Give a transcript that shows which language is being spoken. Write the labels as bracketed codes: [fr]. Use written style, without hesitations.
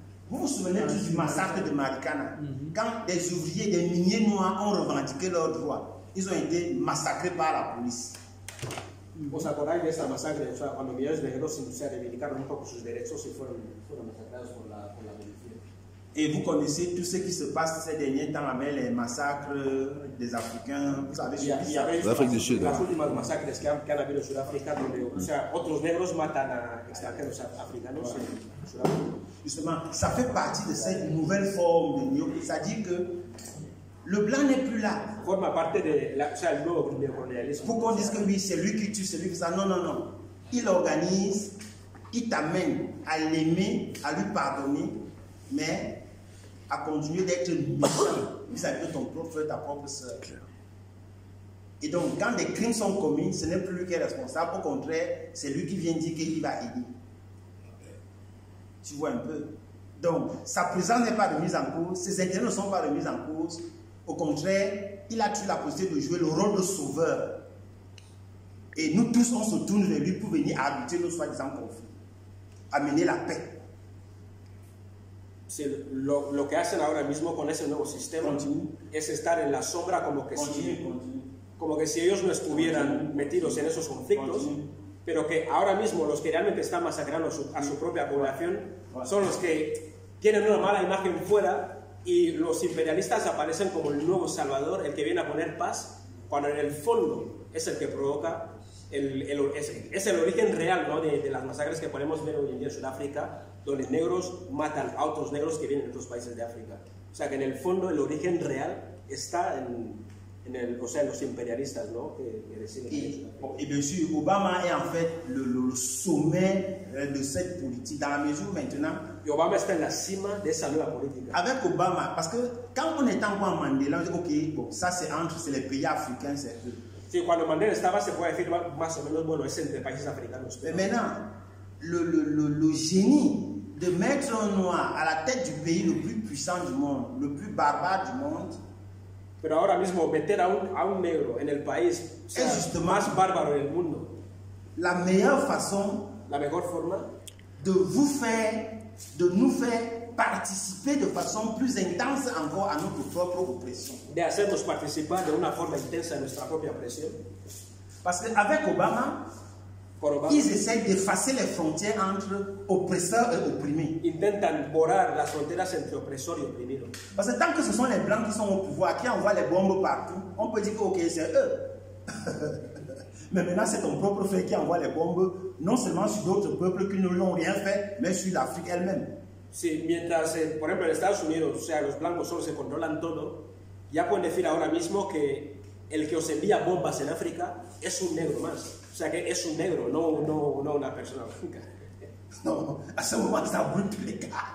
[fr] Vous vous souvenez du massacre de Marikana? Quand des ouvriers, des miniers noirs ont revendiqué leurs droits, ils ont été massacrés par la police. [es] ¿Os acordáis de esa masacre? O sea, cuando millones de negros se reivindicaron un poco sus derechos y fueron masacrados por la policía. [fr] Y vous connaissez tout ce qui se passe ces derniers temps, les massacres des Africains, vous savez, l'Afrique du Sud. [es] Las últimas masacres que han habido en Sudáfrica, donde otros negros matan a extranjeros africanos en Sudáfrica. [fr] Justement, ça fait partie de cette nouvelle forme de néocolonialisme. C'est-à-dire que. Le blanc n'est plus là. [es] Forme parte de la, [fr] c'est le nouveau néocolonialisme. Pour qu'on dise que oui, c'est lui qui tue, c'est lui qui ça. Non. Il organise, il t'amène à l'aimer, à lui pardonner, mais à continuer d'être méchant vis-à-vis de ton propre frère, ta propre sœur. Et donc, quand des crimes sont commis, ce n'est plus lui qui est responsable. Au contraire, c'est lui qui vient dire qu'il va aider. Tu vois un peu? Donc, sa présence n'est pas remise en cause, ses intérêts ne sont pas remis en cause. Au contraire, il a toujours la possibilité de jouer le rôle de sauveur. Et nous tous, on se tourne vers lui pour venir arbitrer nos soi-disant conflits, amener la paix. [es] C'est lo que hacen ahora mismo con ese nuevo sistema. [fr] Continue. [es] Es estar en la sombra como que [fr] continue. [es] Si, como que si ellos no estuvieran [fr] continue. [es] Metidos en esos conflictos, [fr] continue. [es] Pero que ahora mismo los que realmente están masacrando a su propia población son los que tienen una mala imagen fuera. Y los imperialistas aparecen como el nuevo salvador, el que viene a poner paz, cuando en el fondo es el que provoca, es el origen real, ¿no? de las masacres que podemos ver hoy en día en Sudáfrica, donde negros matan a otros negros que vienen de otros países de África. O sea que en el fondo el origen real está en los imperialistas, ¿no? que deciden. [fr] Y bien sûr, Obama es en fait le sommet de cette politique, dans la mesure maintenant. Et Obama est à la cima de sa nouvelle politique. Avec Obama, parce que quand on est encore en Mandela, on dit ok, bon, ça c'est entre c'est les pays africains, c'est eux. [es] Que cuando Mandela estaba, se puede decir más o menos, bueno, es entre países africanos. [fr] Pero maintenant, le génie de mettre un noir à la tête du pays le plus puissant du monde, le plus barbare du monde. [es] Pero ahora mismo, meter a un negro en el país, o sea, es el más bárbaro del mundo. [fr] La meilleure façon, [es] la mejor forma, [fr] de vous faire, de nous faire participer de façon plus intense encore à notre propre oppression. [es] De hacernos participar de una forma intensa a nuestra propia opresión. [fr] Parce que avec Obama, ils essayent d'effacer les frontières entre oppresseurs et opprimés. [es] Intentan borrar las fronteras entre opresor y oprimido. [fr] Parce que tant que ce sont les blancs qui sont au pouvoir, qui envoient les bombes partout, on peut dire que ok, c'est eux. Mais maintenant, c'est ton propre fait qui envoie les bombes, non seulement sur d'autres peuples qui ne lui ont rien fait, mais sur l'Afrique elle-même. [es] Sí, mientras, por ejemplo, en Estados Unidos, o sea, los blancos solo se controlan todo, ya pueden decir ahora mismo que el que os envía bombas en África es un negro más. O sea, que es un negro, no una persona blanca. No, a ese momento está multiplicado.